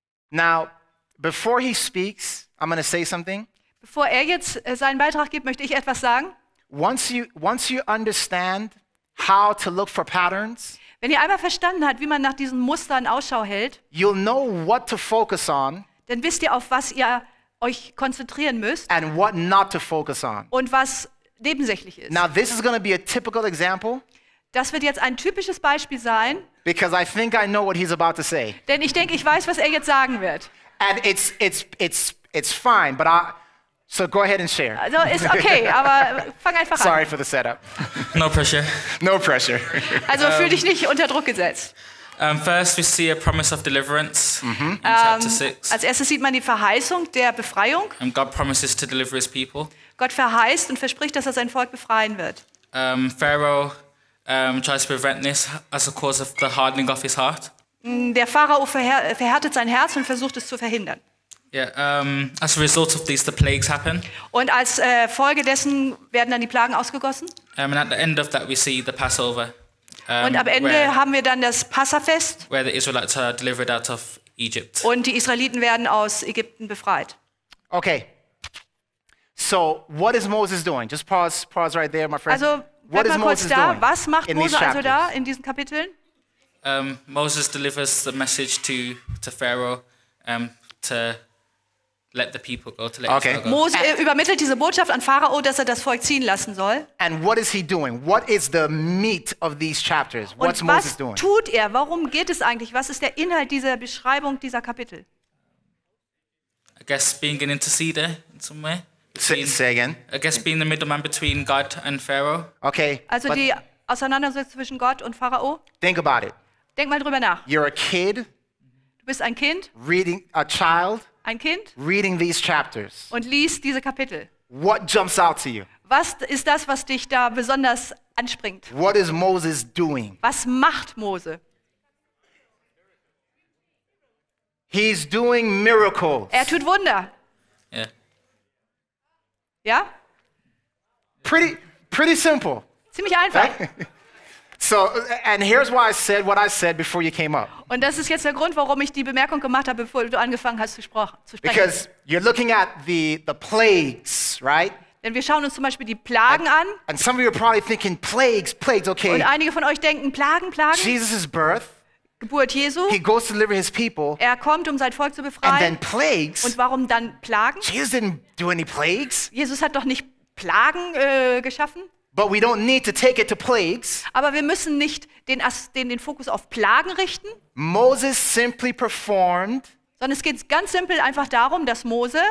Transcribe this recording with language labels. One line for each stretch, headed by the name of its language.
English: Now, before he speaks, I'm going to say something.
German: Bevor er jetzt seinen Beitrag gibt, möchte ich etwas sagen.
English: Once you understand how to look for patterns,
German: wenn ihr einmal verstanden habt, wie man nach diesen Mustern Ausschau hält,
English: you'll know what to focus on,
German: dann wisst ihr, auf was ihr euch konzentrieren müsst,
English: and what not to focus on,
German: und was nebensächlich ist.
English: Now this is going to be a typical example.
German: Das wird jetzt ein typisches Beispiel sein.
English: Because I think I know what he's about to say.
German: Denn ich denke, ich weiß, was er jetzt sagen wird.
English: And it's fine, but I. So go ahead and share.
German: Also ist okay, aber fang einfach an.
English: Sorry for the setup. No pressure. No pressure.
German: Also fühl dich nicht unter Druck gesetzt.
English: First we see a promise of deliverance in chapter 6.
German: Als erstes sieht man die Verheißung der Befreiung.
English: And God promises to deliver his people.
German: Gott verheißt und verspricht, dass er sein Volk befreien wird.
English: Pharaoh tries to prevent this as a cause of the hardening of his heart.
German: Der Pharao verhärtet sein Herz und versucht es zu verhindern.
English: Yeah, as a result of these, the plagues happen.
German: Und als Folge dessen werden dann die Plagen ausgegossen.
English: And at the end of that, we see the Passover.
German: Und am Ende haben wir dann das Passafest.
English: Where the Israelites are delivered out of Egypt.
German: Und die Israeliten werden aus Ägypten befreit.
English: Okay. So, what is Moses doing? Just pause right there, my friend.
German: Also,
English: what is Moses
German: da?
English: Doing?
German: Was macht in Mose also da in diesen Kapiteln?
English: Moses delivers the message to Pharaoh to let the people go, to let okay. Israel go.
German: Mose übermittelt diese Botschaft an Pharao, dass er das Volk ziehen lassen soll.
English: And what is he doing? What is the meat of these chapters? What's
German: Und was
English: Moses doing?
German: Tut er? Warum geht es eigentlich? Was ist der Inhalt dieser Beschreibung dieser Kapitel?
English: I guess being an interceder in some way. Say again. I guess being the middleman between God and Pharaoh. Okay.
German: Also die Auseinandersetzung zwischen Gott und Pharao.
English: Think about it.
German: Denk mal drüber nach.
English: You're a kid.
German: Du bist ein Kind.
English: Reading a child.
German: Ein Kind.
English: Reading these chapters.
German: Und liest diese Kapitel.
English: What jumps out to you?
German: Was ist das, was dich da besonders anspringt?
English: What is Moses doing?
German: Was macht Mose?
English: He's doing miracles.
German: Er tut Wunder.
English: Yeah.
German: Ja?
English: Pretty simple.
German: Ziemlich einfach.
English: So, and here's why I said what I said before you came up.
German: Und das ist jetzt der Grund, warum ich die Bemerkung gemacht habe, bevor du angefangen hast zu sprechen.
English: Because you're looking at the plagues, right?
German: Denn wir schauen uns zum Beispiel die Plagen an.
English: And some of you are probably thinking plagues, okay.
German: Und einige von euch denken Plagen.
English: Jesus' birth.
German: Geburt Jesu.
English: He goes to deliver his people.
German: Er kommt, um sein Volk zu befreien.
English: And then plagues.
German: Und warum dann Plagen?
English: Jesus didn't do any plagues.
German: Jesus hat doch nicht Plagen geschaffen.
English: But we don't need to take it to plagues.
German: Aber wir müssen nicht den Fokus auf Plagen richten.
English: Moses simply performed.
German: Sondern es geht ganz simpel einfach darum, dass Mose